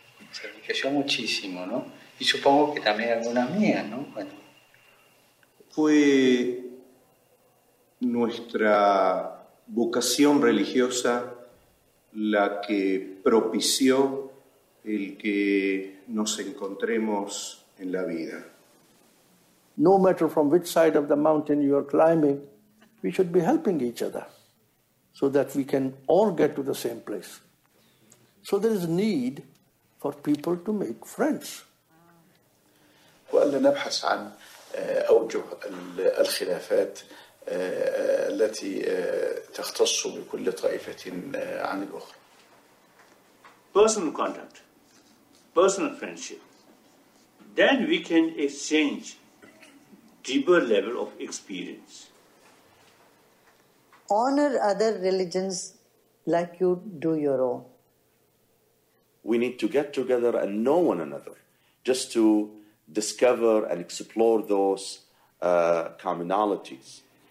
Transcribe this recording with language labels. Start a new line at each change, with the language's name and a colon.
Spanish: Se enriqueció muchísimo, ¿no? Y supongo que también algunas mías, ¿no? Bueno. Fue nuestra vocación religiosa la que propició el que nos encontremos en la vida.
English: No matter from which side of the mountain you are climbing, we should be helping each other, so that we can all get to the same place. So there is need for people to make friends.
Arabic: وقال نبحث عن أوجه الخلافات التي تختص بكل طائفة عن الأخرى.
English: Personal contact, personal friendship. Then we can exchange deeper level of experience. Honor other religions like you do your own. We need to get together and know one another just to discover and explore those commonalities.